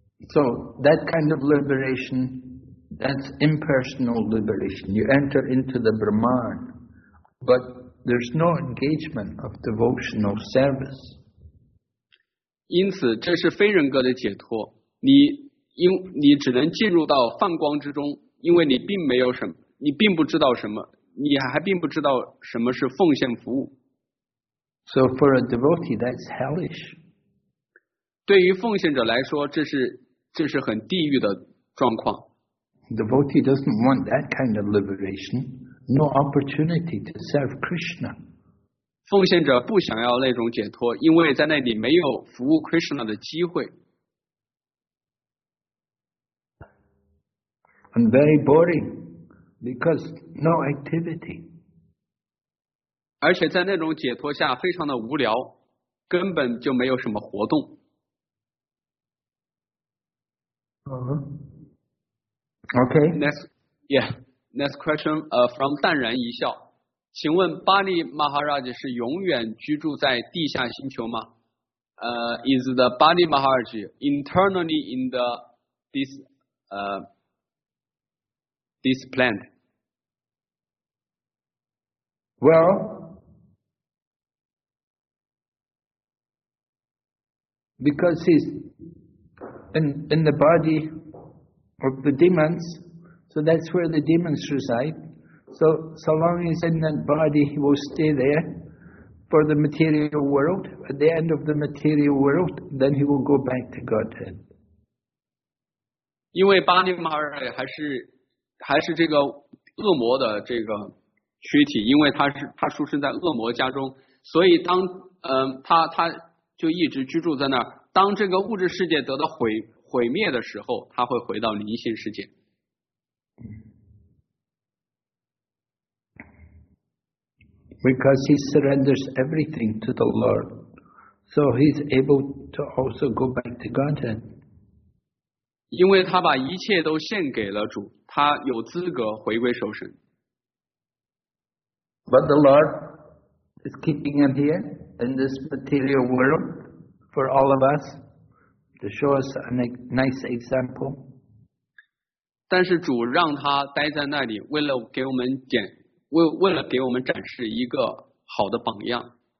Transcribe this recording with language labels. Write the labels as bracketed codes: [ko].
[en] So that kind of liberation, that's impersonal liberation. You enter into the Brahman, but there's no engagement of devotional service. [zh] 因此，这是非人格的解脱。你只能进入到梵光之中，因为你并没有什么，你并不知道什么，你还并不知道什么是奉献服务。 [en] So for a devotee, that's hellish. [zh] 对于奉献者来说，这是很地狱的状况。 [en] Devotee doesn't want that kind of liberation. No opportunity to serve Krishna. [zh] 奉献者不想要那种解脱，因为在那里没有服务 Krishna 的机会。 [en] And very boring, because no activity. [zh] 而且在那种解脱下非常的无聊，根本就没有什么活动。 [en] Okay. Next question, from 淡然一笑。 [zh] 请问巴利马哈拉吉是永远居住在地下星球吗？ [en] Is the Bali Maharaj internally in the this planet? Well, Because he's in the body of the demons, so that's where the demons reside. So long as he's in that body, he will stay there for the material world. At the end of the material world, then he will go back to Godhead. [zh] 因为巴尼马尔还是这个恶魔的这个躯体，因为他出生在恶魔家中，所以当他就一直居住在那儿。当这个物质世界得到毁灭的时候，他会回到灵性世界。 [en] Because he surrenders everything to the Lord, so he's able to also go back to Godhead. [zh] 因为他把一切都献给了主，他有资格回归受神。 [en] But the Lord is keeping him here in this material world for all of us to show us a nice example. [zh] 但是主让他待在那里，为了给我们展，为了给我们展示一个好的榜样。